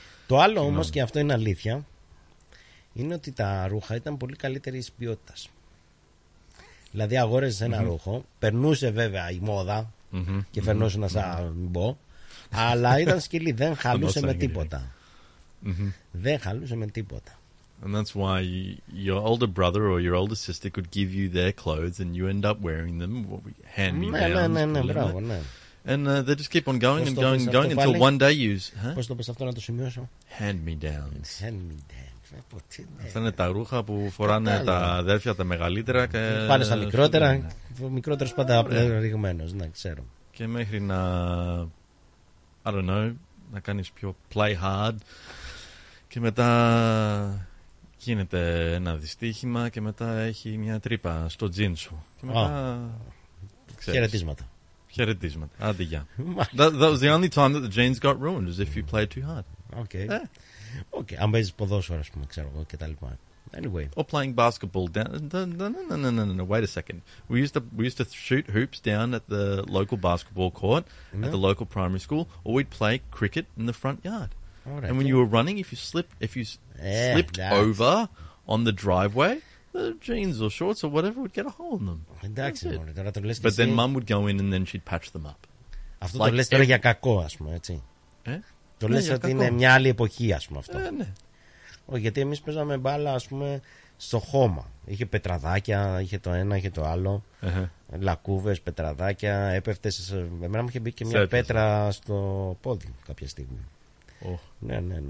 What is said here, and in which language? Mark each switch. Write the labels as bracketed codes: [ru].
[el] Το άλλο όμως, και αυτό είναι αλήθεια, είναι ότι τα ρούχα ήταν πολύ καλύτερης ποιότητας. Δηλαδή αγόρεσες ένα ρούχο, περνούσε βέβαια η μόδα και φερνούσε να σαν μπω, αλλά ήταν σκυλή, δεν χαλούσε με τίποτα. Δεν χαλούσε με τίποτα. [en] And that's why your older brother or your older sister could give you their clothes and you end up wearing them, hand-me-downs. And they just keep on going and going and going until one day you... [el] Πώς το πες αυτό να το σημειώσω? [en] Hand-me-downs. Hand-me-downs. [el] Αυτά είναι τα ρούχα που φοράνε τα αδέρφια, τα μεγαλύτερα. Πάνε στα μικρότερα, μικρότερος πάντα ρηγμένος, να ξέρω. Και μέχρι να, [en] I don't know, [el] να κάνεις πιο play hard και μετά... Γίνεται ένα δυστύχημα και μετά έχει μια τρύπα στο τζιν σου. Και μετά... Χαιρετίσματα. Χαιρετίσματα. Άντε, γεια. [en] That was the only time that the jeans got ruined, is if you played too hard. Okay. Okay. [el] Αν παίζεις ποδόσφαιρο, ας πούμε, ξέρω εγώ, και τα λοιπά. [en] Anyway. Or playing basketball down... No. Wait a second. We used to shoot hoops down at the local basketball court, at the local primary school, or we'd play cricket in the front yard. And when you were running, if you slipped over on the driveway, the jeans or shorts or whatever would get a hole in them. [el] Εντάξει, [en] but then mum would go in and then she'd patch them up. [el] Αυτό like, το λες τώρα για κακό, ας πούμε, έτσι. Το λες ότι είναι μια άλλη εποχή, ας πούμε, αυτό. Ναι. Όχι, γιατί εμείς παίζαμε μπάλα, ας πούμε, στο χώμα. Είχε πετραδάκια, είχε το ένα, είχε το άλλο. Λακκούβες, πετραδάκια, έπεφτες. Εμένα μου είχε μπει και μια πέτρα στο πόδι κάποια στιγμή. Ναι.